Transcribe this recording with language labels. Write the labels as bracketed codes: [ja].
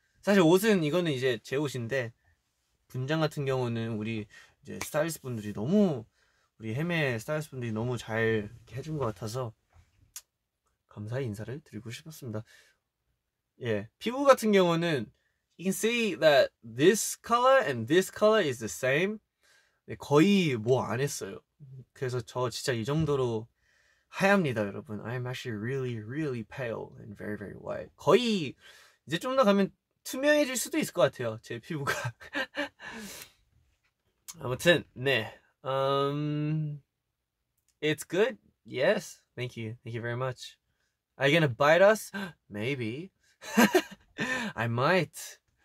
[ko] 사실 옷은 이거는 이제 제 옷인데 분장 같은 경우는 우리 이제 스타일리스트 분들이 너무 우리 헤메 스타일리스트 분들이 너무 잘 해준 것 같아서 감사의 인사를 드리고 싶었습니다. 예, 피부 같은 경우는 [en] You can see that this color and this color is the same. [ko] 네, 거의 뭐안 했어요. 그래서 저 진짜 이 정도로 하얗니다, 여러분. [en] I'm actually really, really pale and very, very white. [ko] 거의 이제 좀더 가면 투명해질 수도 있을 것 같아요, 제 피부가. 아무튼 네, [en] it's good. Yes, thank you very much. Are you gonna bite us? Maybe. I might.